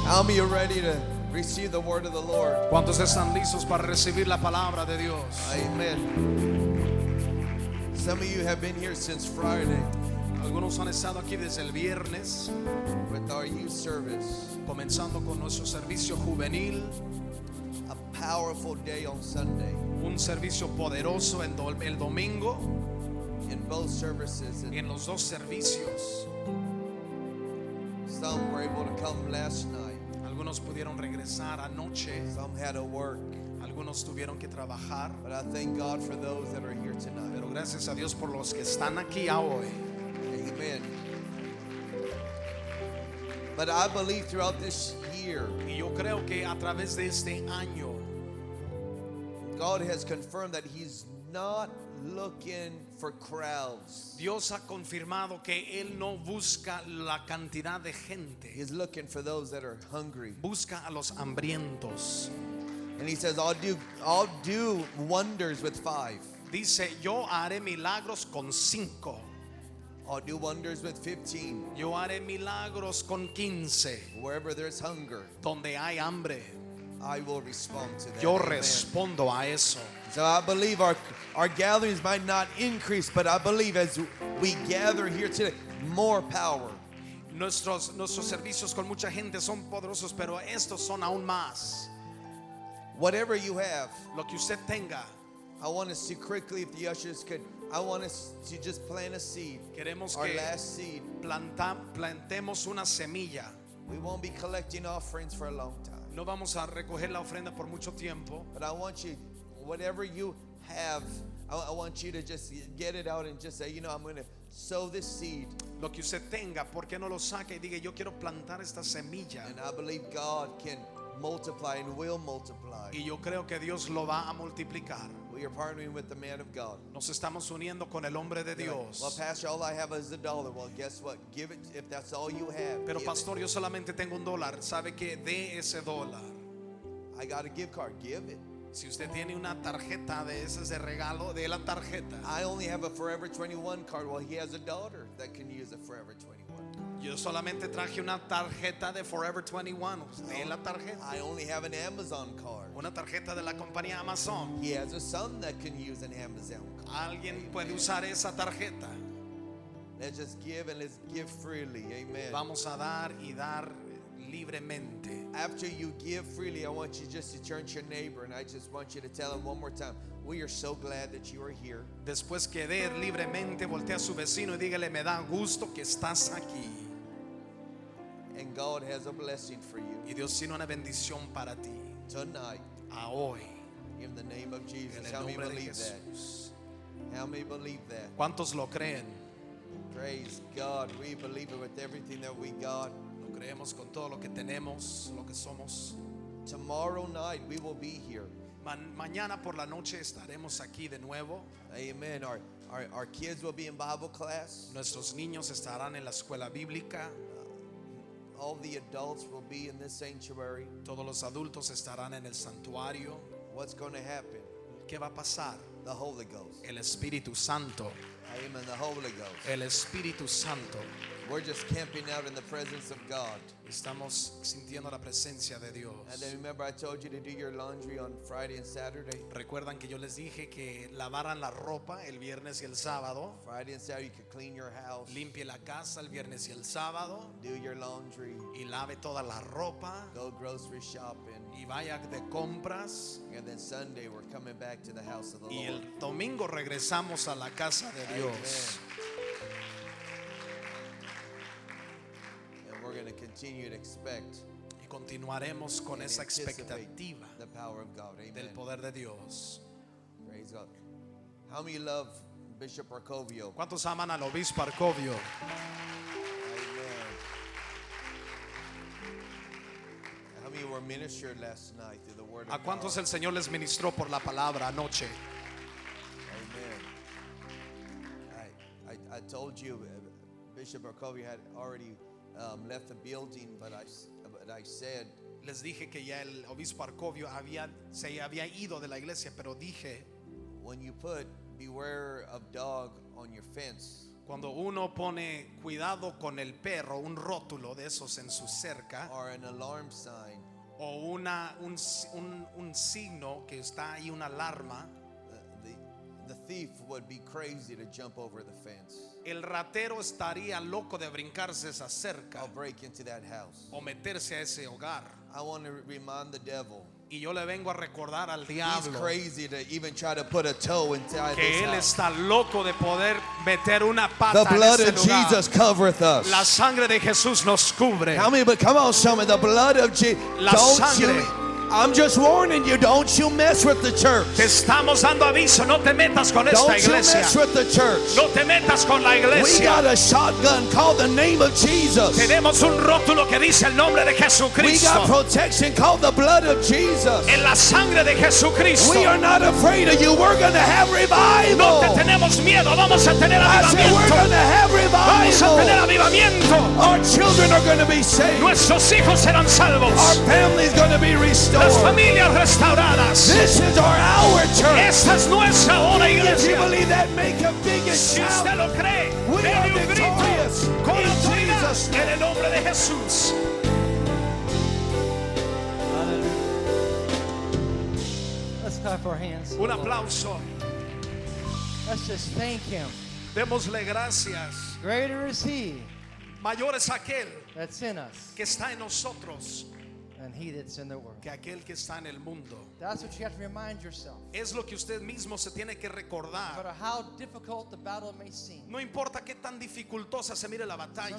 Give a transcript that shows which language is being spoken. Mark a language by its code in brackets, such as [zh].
[en] How many are ready to receive the word of the Lord? [es] ¿Cuántos están listos para recibir la palabra de Dios? Amen. [en] Some of you have been here since Friday. [es] Algunos han estado aquí desde el viernes. [en] With our youth service. [es] Comenzando con nuestro servicio juvenil. [en] A powerful day on Sunday. [es] Un servicio poderoso en el domingo. [en] In both services. [es] Y en los dos servicios. [en] Some were able to come last night. [es] Algunos pudieron regresar anoche. [en] Some had to work. [es] Algunos tuvieron que trabajar. [en] But I thank God for those that are here tonight. [es] Pero gracias a Dios por los que están aquí hoy. [en] Amen. But I believe throughout this year, [es] y yo creo que a través de este año, [en] God has confirmed that He's not looking for crowds. [es] Dios ha confirmado que él no busca la cantidad de gente. [en] He's looking for those that are hungry. [es] Busca a los hambrientos. [en] And He says, I'll do wonders with five. [es] Dice, yo haré milagros con cinco. [en] I'll do wonders with 15. [es] Yo haré milagros con 15. [en] Wherever there's hunger, [es] donde hay hambre, [en] I will respond to that. [es] Yo respondo a eso. [en] So I believe our gatherings might not increase, but I believe as we gather here today, more power. [es] Nuestros servicios con mucha gente son poderosos, pero estos son aún más. [en] Whatever you have, [es] lo que usted tenga, [en] I want us to quickly, if the ushers could, I want us to just plant a seed. [es] Queremos [en] our [es] que [en] last seed. [es] Plantemos una semilla. [en] We won't be collecting offerings for a long time. [es] No vamos a recoger la ofrenda por mucho tiempo. [en] But I want you, whatever you have, I want you to just get it out and just say, you know, I'm going to sow this seed. [es] Lo que usted tenga, ¿por qué no lo saque y diga, yo quiero plantar esta semilla? [en] And I believe God can multiply and will multiply. [es] Y yo creo que Dios lo va a multiplicar. [en] We are partnering with the man of God. [es] Nos estamos uniendo con el hombre de Dios. [en] Well, Pastor, all I have is a dollar. Well, guess what? Give it if that's all you have. [es] Pero Pastor, yo solamente tengo un dólar. ¿Sabe qué? Dé ese dólar. [en] I got a gift card. Give it. [es] Si usted tiene una tarjeta de esas de regalo, dé la tarjeta. [en] I only have a Forever 21 card. Well, he has a daughter that can use a Forever 21. [es] Yo solamente traje una tarjeta de Forever 21. Dé la tarjeta. [en] I only have an Amazon card. [es] Una tarjeta de la compañía Amazon. [en] He has a son that can use an Amazon card. [es] Alguien puede usar esa tarjeta. [en] Let's just give and let's give freely. Amen. [es] Vamos a dar y dar libremente. [en] After you give freely, I want you just to turn to your neighbor and I just want you to tell him one more time, we are so glad that you are here. [es] Después que dé libremente, voltea a su vecino y dígale, me da gusto que estás aquí. [en] And God has a blessing for you. [es] Y Dios tiene una bendición para ti. [en] Tonight. [es] A hoy. [en] In the name of Jesus. [es] En el nombre de Jesús. [en] How many believe that? [es] ¿Cuántos lo creen? [en] Praise God. We believe it with everything that we got. [es] Lo creemos con todo lo que tenemos, lo que somos. [en] Tomorrow night we will be here. [es] Mañana por la noche estaremos aquí de nuevo. [en] Amen. Our kids will be in Bible class. [es] Nuestros niños estarán en la escuela bíblica. [en] All the adults will be in this sanctuary. [es] Todos los adultos estarán en el santuario. [en] What's going to happen? [es] ¿Qué va a pasar? [en] The Holy Ghost. [es] El Espíritu Santo. [en] Amen. The Holy Ghost. [es] El Espíritu Santo. [en] We're just camping out in the presence of God. [es] Estamos sintiendo la presencia de Dios. [en] And then remember, I told you to do your laundry on Friday and Saturday. [es] Recuerdan que yo les dije que lavaran la ropa el viernes y el sábado. [en] Friday and Saturday, you can clean your house. [es] Limpie la casa el viernes y el sábado. [en] Do your laundry. [es] Y lave toda la ropa. [en] Go grocery shopping. [es] Y vaya de compras. [en] And then Sunday, we're coming back to the house of the Lord. [es] Y el domingo regresamos a la casa de Dios. [en] We're going to continue to expect. [es] Y continuaremos con esa expectativa. [en] The power of God. Amen. [es] Del poder de Dios. [en] Praise God. How many love Bishop Arcovio? [es] ¿Cuántos aman al Obispo Arcovio? [en] Amen. How many were ministered last night through the word of God? [es] ¿A cuántos el Señor les ministró por la palabra anoche? [en] Amen. I told you Bishop Arcovio had already left the building, but I said. [es] Les dije que ya el obispo Arcovio se había ido de la iglesia, pero dije. [en] When you put beware of dog on your fence. [es] Cuando uno pone cuidado con el perro, un rótulo de esos en su cerca. [en] Or an alarm sign. [es] O un signo que está ahí, una alarma. [en] The thief would be crazy to jump over the fence. [es] El ratero estaría loco de brincarse esa cerca. [en] Or break into that house. [es] O meterse a ese hogar. [en] I want to remind the devil. [es] Y yo le vengo a recordar al diablo. [en] He's crazy to even try to put a toe inside this house. [es] Que él está loco de poder meter una pata en ese lugar. [en] The blood of Jesus covereth us. [es] La sangre de Jesús nos cubre. [en] Tell me, but come on, somebody. The blood of Jesus. Don't you? I'm just warning you. Don't you mess with the church. [es] Te estamos dando aviso. No te metas con esta iglesia. [en] Don't you mess with the church. [es] No te metas con la iglesia. [en] We got a shotgun called the name of Jesus. [es] Tenemos un rótulo que dice el nombre de Jesucristo. [en] We got protection called the blood of Jesus. [es] En la sangre de Jesucristo. [en] We are not afraid of you. We're going to have revival. [es] No te tenemos miedo. Vamos a tener avivamiento. [en] We're going to have revival. [es] Vamos a tener avivamiento. [en] Our children are going to be saved. [es] Nuestros hijos serán salvos. [en] Our family's going to be restored. [es] Las familias restauradas. [en] This is our hour, church. [es] Esta es nuestra hora, iglesia. [en] If you believe that, make a biggest shout. [es] Si usted lo cree, [en] we are victorious [es] con [en] in Jesus' name. [es] En el nombre de Jesús. [en] Hallelujah. Let's clap our hands. [es] Un aplauso. [en] Let's just thank Him. [es] Démosle gracias. [en] Greater is He. [es] Mayor es aquel. [en] That's in us. [es] Que está en nosotros. [en] And he that's in the world. [es] Que aquel que está en el mundo. [en] That's what you have to remind yourself. [es] Es lo que usted mismo se tiene que recordar. [en] No matter how difficult the battle may seem. [es] No importa qué tan dificultosa se mire la batalla.